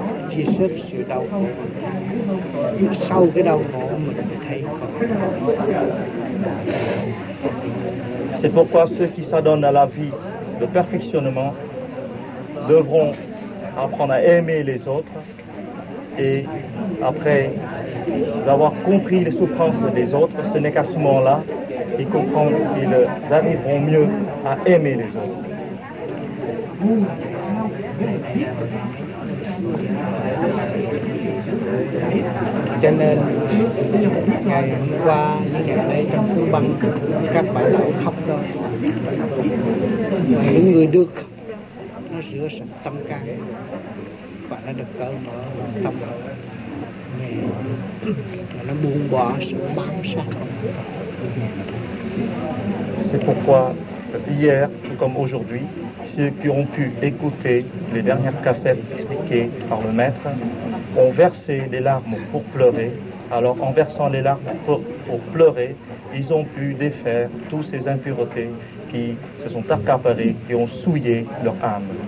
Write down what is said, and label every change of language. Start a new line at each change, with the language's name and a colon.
Vietnamese: Chỉ xuất sự đau khổ, nhưng sau cái đau khổ mình mới thấy có.
French: C'est pourquoi ceux qui s'adonnent à la vie de perfectionnement devront apprendre à aimer les autres et après avoir compris les souffrances des autres, ce n'est qu'à ce moment-là qu'ils comprendront qu'ils arriveront mieux à aimer les autres.
Vietnamese: Cho nên ngày hôm qua những ngày đây trong khu băng các bà lão khóc đó, mà những người được khóc nó rửa sạch tâm can và nó được cởi mở tâm hồn nghe và nó buông bỏ sự bám sát.
French: C'est pourquoi hier comme aujourd'hui, ceux qui ont pu écouter les dernières cassettes expliquées par le maître ont versé des larmes pour pleurer. Alors, en versant les larmes pour pleurer, ils ont pu défaire toutes ces impuretés qui se sont accaparées et ont souillé leur âme.